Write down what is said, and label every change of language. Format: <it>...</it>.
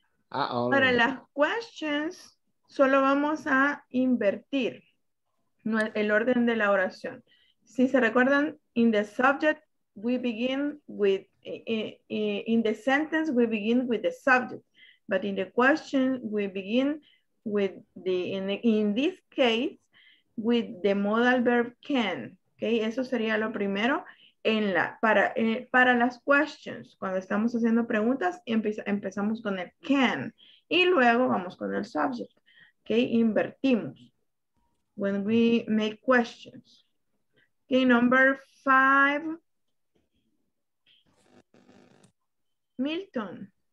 <es>Para las questions, solo vamos a invertir el orden de la oración. Si se recuerdan,</es> <en>in the subject, we begin with, in the sentence, we begin with the subject. But in the question, we begin with in this case, with the modal verb can.</en> <es>Okay, eso sería lo primero. Para las questions, cuando estamos haciendo preguntas, empezamos con el can y luego vamos con el subject.</es> <en>Okay,</en> <es>invertimos</es> <en>when we make questions. Okay, number five, Milton.</en>